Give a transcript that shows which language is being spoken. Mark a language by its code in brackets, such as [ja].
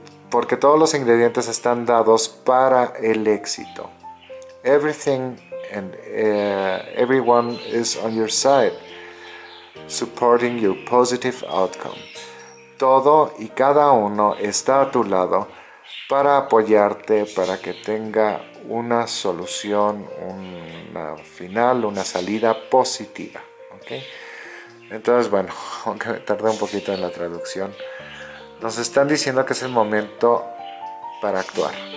[es] Porque todos los ingredientes están dados para el éxito. [en] Everything and everyone is on your side, supporting your positive outcome. [es] Todo y cada uno está a tu lado para apoyarte para que tenga una solución, una final, una salida positiva. ¿Okay? Entonces, bueno, aunque me tardé un poquito en la traducción, nos están diciendo que es el momento para actuar.